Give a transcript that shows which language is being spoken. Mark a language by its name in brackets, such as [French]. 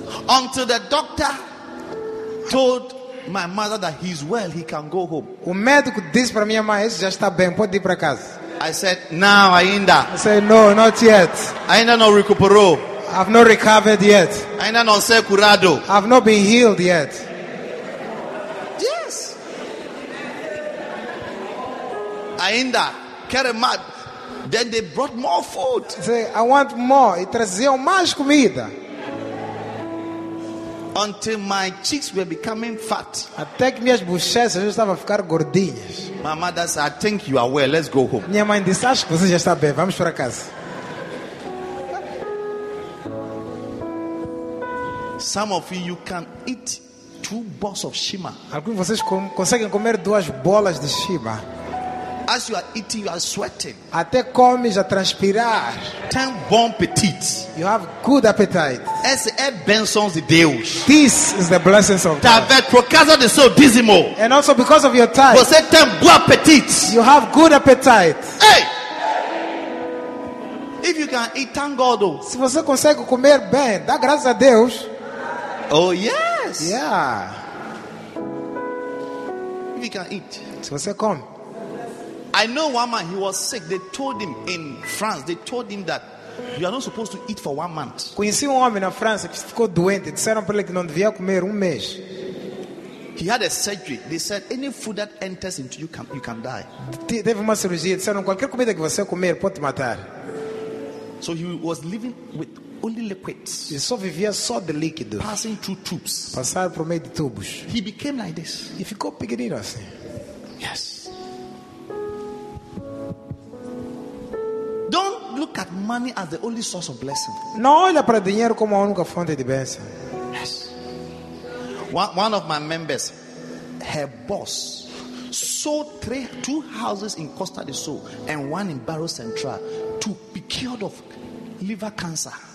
[English] Until the doctor told my mother that he's well, he can go home. [Portuguese] O médico disse para minha mãe, já está bem, pode ir para casa. [English] I said, now, [Portuguese] ainda. [English] I said, no, not yet. [Portuguese] Ainda não recuperou. [English] I've not recovered yet. [Portuguese] Ainda não ser curado. [English] I've not been healed yet. Yes. [Portuguese] Ainda. [English] Queremat. Then they brought more food. Say, I want more. [Portuguese] E traziam mais comida. [English] Until my cheeks were becoming fat. [Portuguese] Até que minhas bochechas estavam a ficar gordinhas. [English] My mother said, I think you are well. Let's go home. [Portuguese] Minha mãe disse, acho que você já está bem. Vamos para casa. [English] Some of you can eat two balls of shima. [Portuguese] Alguns de vocês conseguem comer duas bolas de shima. [English] As you are eating, you are sweating. [Portuguese] Até comes a transpirar. Tem bom petit. [English] You have good appetite. [Portuguese] Essa é bênçãos de Deus. [English] This is the blessings of God. [Portuguese] Por causa de seu dízimo. [English] And also because of your tithe. [Portuguese] Você tem bom appetite. [English] You have good appetite. Hey! If you can eat, thank God. [Portuguese] Se você consegue comer bem, dá graças a Deus. [English] Oh, yes. Yeah. If you can eat. [Portuguese] Se você come. [English] I know one man, he was sick. They told him in France, they told him that you are not supposed to eat for 1 month. [Portuguese] Conheci homem na França que ficou doente. Disseram para ele que não devia comer 1 mês. [English] He had a surgery. They said any food that enters into you can die. [Portuguese] Teve uma cirurgia. Disseram qualquer comida que você comer pode te matar. [English] So he was living with only liquids. [Portuguese] Ele só vivia só de líquido. [English] Passing through tubes. [Portuguese] Passar por meio de tubos. [English] He became like this. [Portuguese] E ficou pequenino assim. [English] Yes. Don't look at money as the only source of blessing. [Portuguese] Não olha para dinheiro como a única fonte de bênção. [English] Yes. One of my members, her boss, sold two houses in Costa do Sul and one in Barro Central to be cured of liver cancer.